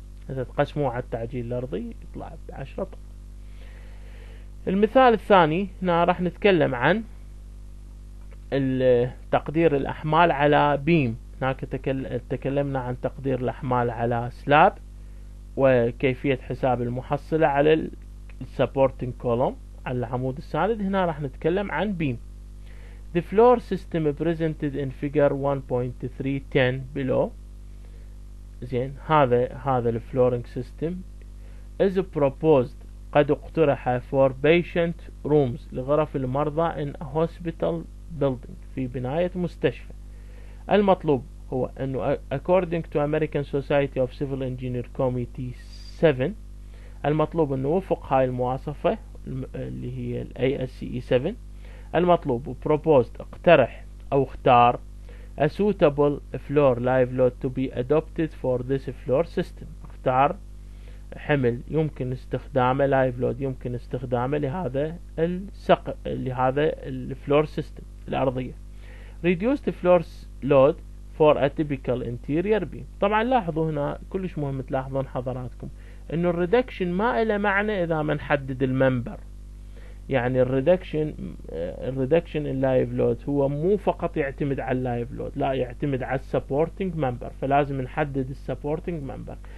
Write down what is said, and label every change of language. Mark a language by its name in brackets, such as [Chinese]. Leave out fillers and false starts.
[Arabic] إذا تقسموه على التعجيل الأرضي يطلع 10 طن. المثال الثاني هنا راح نتكلم عن تقدير الأحمال على بيم. هناك تكلمنا عن تقدير الأحمال على سلاب وكيفية حساب المحصلة على السبورتنج كولوم على العمود الساند. هنا راح نتكلم عن بيم. [English] The floor system presented in figure 1.310 below. [Arabic] زين، هذا الفلورينج سيستم [English] is proposed [Arabic] قد اقترح [English] for patient rooms [Arabic] لغرف المرضى [English] in a hospital building [Arabic] في بناية مستشفى. المطلوب هو أنه [English] according to American Society of Civil Engineers Committee 7 [Arabic] المطلوب أنه وفق هاي المواصفة اللي هي ASCE 7 المطلوب [English] proposed [Arabic] اقترح أو اختار [English] a suitable floor live load to be adopted for this floor system [Arabic] اختار حمل يمكن استخدامه live load يمكن استخدامه لهذا السقف لهذا الفلور سيستم الأرضية. [English] reduced floor load for a typical interior beam. [Arabic] طبعا لاحظوا هنا كلش مهم تلاحظون حضراتكم انه الريدكشن ما الى معنى اذا ما نحدد المنبر. يعني الريدكشن اللايف لود هو مو فقط يعتمد على اللايف لود، لا يعتمد على السبورتنج ممبر، فلازم نحدد السبورتنج ممبر.